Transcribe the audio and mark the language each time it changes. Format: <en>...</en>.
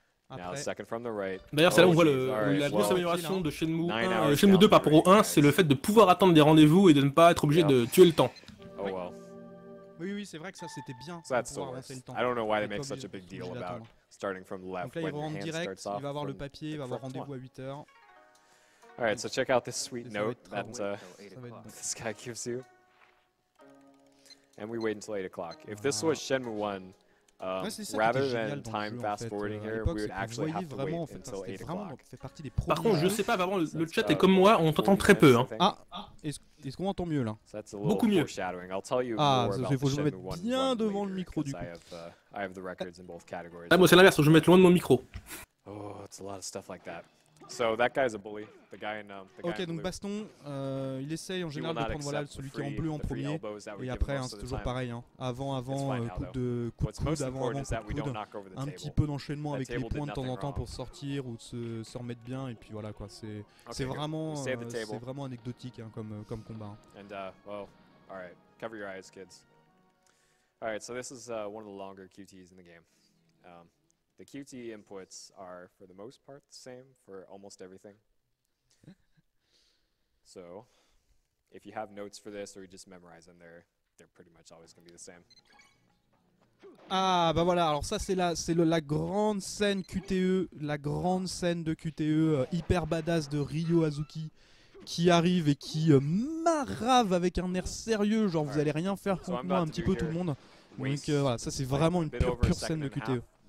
<fr>D'ailleurs, c'est là où on voit la grosse amélioration de Shenmue 2 par rapport au 1, c'est le fait de pouvoir attendre des rendez-vous et de ne pas être obligé de tuer le temps. Oui, c'est vrai que ça, c'était bien de pouvoir avancer le temps. Je ne sais pas pourquoi ils font</fr> <en>such a big deal about starting from the left.</en> <fr>Donc là, il rentre direct, il va avoir le papier, il va avoir rendez-vous à 8h.</fr> <en>All right, so check out this sweet note that this guy gives you. And we wait until 8 o'clock. If this was Shenmue 1, rather than time fast-forwarding here, we would actually have to wait until 8 o'clock.</en> <fr>Par contre, je sais pas, vraiment, le chat est comme moi, on t'entend très peu. Ah, est-ce qu'on entend mieux là? Beaucoup mieux. Ah, il faut que je me mette bien devant le micro du coup. Ah, moi c'est l'inverse, je vais me mettre loin de mon micro.</fr> <en>Oh, it's a lot of stuff like that. So that guy's a bully. The guy in,</en> <fr>ok, donc Baston, il essaye en général de prendre celui qui est en bleu en premier. Et après, c'est toujours pareil. Hein. Avant, coup de coude. Un petit peu d'enchaînement avec les points de temps en temps pour sortir ou se remettre bien. Et puis voilà quoi. C'est vraiment anecdotique hein, comme combat. Hein.</fr> <en>And, all right. Cover your eyes, kids. All right, so this is one of the longer QTs in the game. The QT inputs are, for the most part, the same for almost everything. So, if you have notes for this or you just memorize them, they're pretty much always going to be the same.</en> <fr>Ah, bah voilà, alors ça c'est la grande scène QTE, la grande scène de QTE hyper badass de Ryo Hazuki qui arrive et qui marave avec un air sérieux, genre vous allez rien faire contre moi, un petit peu tout le monde. Donc voilà, ça c'est vraiment une pure scène de QTE.</fr>